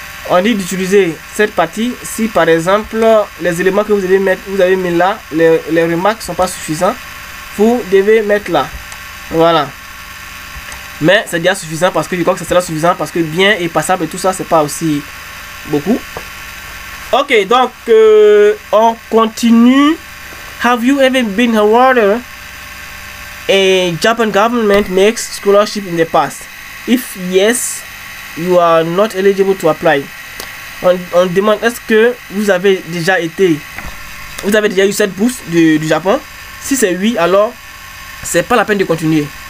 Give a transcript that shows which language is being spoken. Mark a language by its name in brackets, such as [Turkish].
[French] On dit d'utiliser cette partie si, par exemple, les éléments que vous avez mis là, les remarques ne sont pas suffisants. Vous devez mettre là. Voilà, mais c'est déjà suffisant parce que je crois que ça sera suffisant parce que bien et passable et tout ça, c'est pas aussi beaucoup. Ok, donc on continue. [English] Have you ever been awarded a Japan government makes scholarship in the past? If yes, you are not eligible to apply. [French] On demande, est-ce que vous avez déjà eu cette bourse du Japon? Si c'est oui, alors c'est pas la peine de continuer.